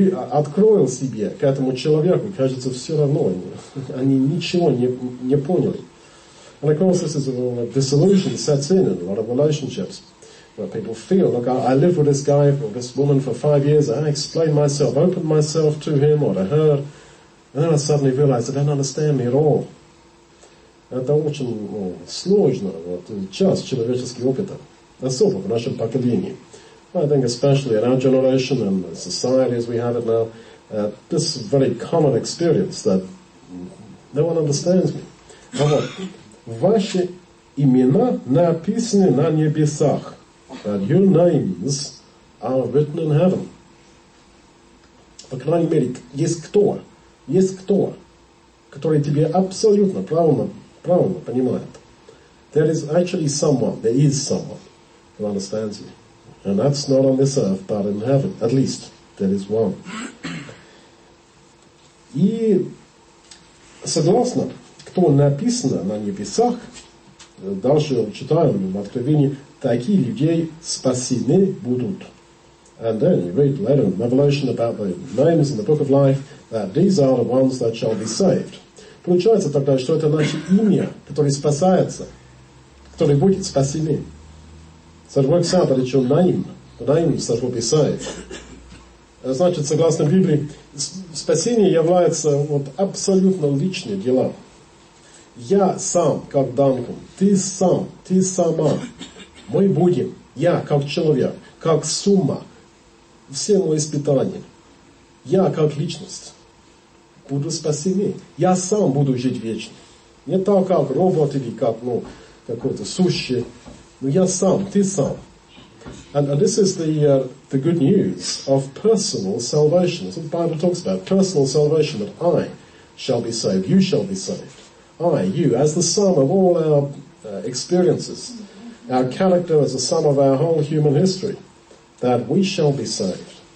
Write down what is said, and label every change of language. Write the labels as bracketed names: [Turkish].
[Russian] Открыл себе к этому человеку, кажется, все равно они ничего не поняли. [English] And of course, this is a disillusion sets in a lot of relationships where people feel, look, I lived with this guy or this woman for 5 years, I explained myself, opened myself to him or to her, and then I suddenly realized they don't understand me at all. [Russian] Это очень, ну, сложно, вот, часть человеческого опыта, особо в нашем поколении. [English] I think especially in our generation and the society as we have it now, this is a very common experience that no one understands me. Now what? [Russian] Ваши имена написаны на небесах. [English] That your names are written in heaven. [Russian] По крайней мере, есть кто, который тебе абсолютно правильно понимает. [English] There is actually someone, there is someone who understands you. And that's not on this earth, but in heaven. At least, there is one. [Russian] И согласно, кто написано на небесах, дальше читаем в Откровении, такие людей спасены будут. [English] And then you read later in Revelation about the names in the Book of Life, that these are the ones that shall be saved. [Russian] Получается тогда, что это наше имя, которое спасается, которое будет спасены. [English] So it works out that it's your name, the names that will be saved. [Russian] Значит, согласно Библии, спасение является вот абсолютно личным делом. Я сам, как Данком, ты сам, ты сама. Мы будем, я как человек, как сумма, все мои испытания. Я как личность буду спасены. Я сам буду жить вечно. Не так, как робот или как, ну, какой-то сущий. Я сам, ты сам. [English] And this is the good news of personal salvation. That's what the Bible talks about. Personal salvation, that I shall be saved, you shall be saved. I, you, as the sum of all our experiences. our character as a sum of our whole human history, that we shall be saved.